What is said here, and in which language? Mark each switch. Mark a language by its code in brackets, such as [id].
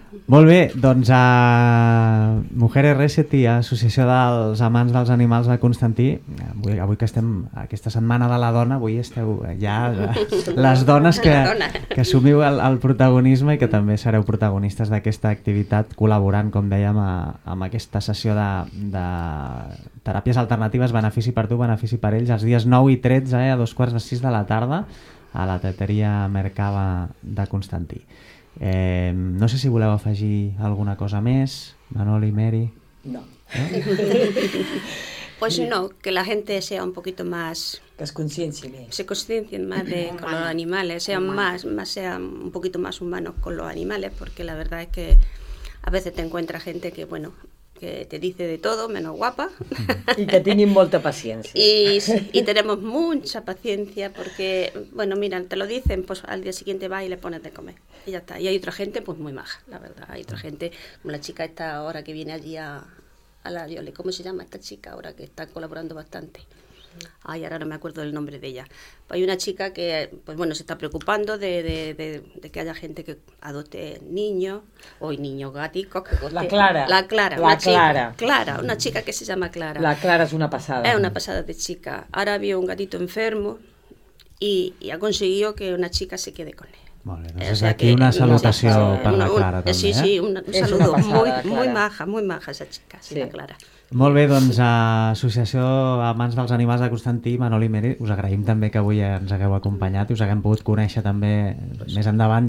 [ca] Molt bé, doncs a Mujeres Rescati, Associació dels Amants dels Animals de Constantí, avui que estem aquesta setmana de la dona, avui esteu ja les dones que assumiu el protagonisme i que també sereu protagonistes d'aquesta activitat col·laborant, com dèiem, amb aquesta sessió de teràpies alternatives, benefici per tu, benefici per ells, els dies 9 i 13, a 6:15 de la tarda, a la teteria Mercava de Constantí. No sé si voleu afegir alguna cosa més, Manoli, Mary. No. [es] Pues no, que la gente sea un poquito más... Que es conscienciin. Se conscienciin más de con los animales, sea un poquito más humano con los animales, porque la verdad es que a veces te encuentras gente que, bueno, que te dice de todo, menos guapa. Y que tienen mucha paciencia. Y tenemos mucha paciencia porque, bueno, mira, te lo dicen, pues al día siguiente vas y le pones de comer. Y ya está. Y hay otra gente, pues muy maja, la verdad. Hay otra gente, como la chica esta ahora que viene allí a la Yole. ¿Cómo se llama esta chica ahora que está colaborando bastante? Ay, ahora no me acuerdo del nombre de ella. Hay una chica que, pues bueno, se está preocupando de que haya gente que adopte niños, o niños gáticos. La Clara. Una chica que se llama Clara. La Clara es una pasada. Es una pasada de chica. Ahora había un gatito enfermo y ha conseguido que una chica se quede con él. [ca] Molt bé, doncs és aquí una salutació per la Clara, també. [es] Sí, un saludo. [ca] Molt maja, aquesta xica, sí, la Clara. Molt bé, doncs, Associació Amants dels Animals de Constantí, Manol i Meri, us agraïm també que avui ens hagueu acompanyat i us haguem pogut conèixer també més endavant.